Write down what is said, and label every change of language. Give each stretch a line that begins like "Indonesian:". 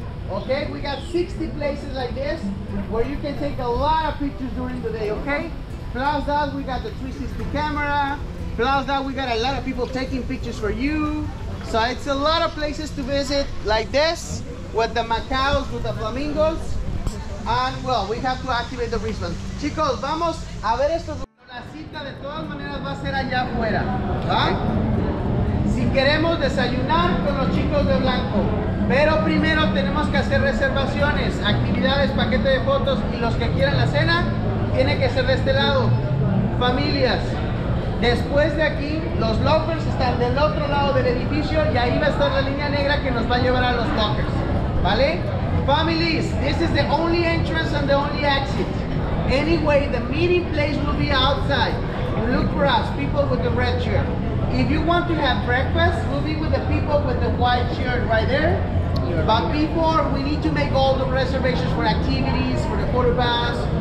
English: Okay, we got 60 places like this where you can take a lot of pictures during the day, okay? Plus that, we got the 360 camera. Plus that, we got a lot of people taking pictures for you. So it's a lot of places to visit, like this, with the macaws, with the flamingos. And well, we have to activate the wristband.
Spanish: Chicos, vamos a ver estos. La cita de todas maneras va a ser allá afuera, ¿va? Si queremos desayunar con los chicos de blanco. Pero primero tenemos que hacer reservaciones, actividades, paquete de fotos, y los que quieran la cena, tiene que ser de este lado. Familias. Después de aquí, los loafers están del otro lado del edificio y ahí va a estar la línea negra que nos va a llevar a los lockers, ¿vale?
English: Families, this is the only entrance and the only exit. Anyway, the meeting place will be outside. Look for us, people with the red shirt. If you want to have breakfast, we'll be with the people with the white shirt right there. But before, we need to make all the reservations for activities, for the photo pass.